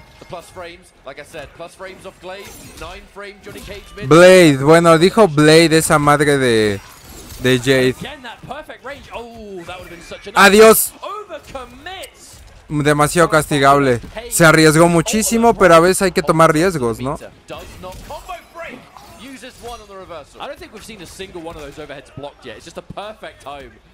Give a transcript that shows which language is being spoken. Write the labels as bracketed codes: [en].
[en] The plus frames, like I said, plus frames of Glaive. 9 frame Johnny Cage mid. [es] Blade, bueno, dijo Blade esa madre de Jade. [en] Again, that perfect range. Oh, that would have been such an adiós. [es] Overcommits. Demasiado castigable. Se arriesgó muchísimo, pero a veces hay que tomar riesgos, ¿no? [en] Uses one on the reversal. I don't think we've seen a single one of those overheads blocked yet. It's just a perfect time.